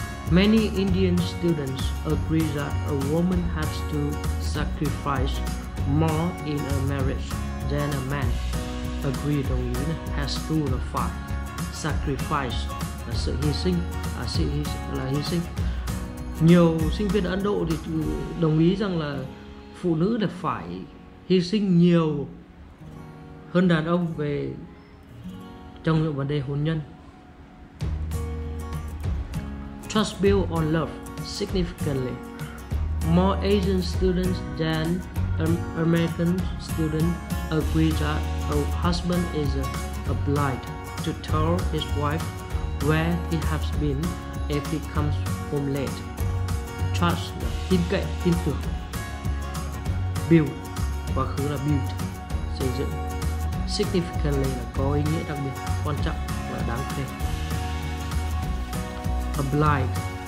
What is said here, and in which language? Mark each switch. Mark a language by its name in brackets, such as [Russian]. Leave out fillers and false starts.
[English] Many Indian students agree that a woman has to sacrifice more in a marriage than a man. [Vietnamese] Agree, đồng ý này. Has to là phải. Sacrifice là sự hy sinh, là hy sinh. Nhiều sinh viên Ấn Độ thì đồng ý rằng là phụ nữ là phải hy sinh nhiều hơn đàn ông về trong những vấn đề hôn nhân. [English] Trust built on love significantly. More Asian students than American students agree that a husband is obliged to tell his wife where he has been if he comes home late. [Vietnamese] Trust là tin cậy, tin tưởng. Build, quá khứ là build, xây dựng. Significantly là có ý nghĩa đặc biệt, quan trọng và đáng kể. Obliged,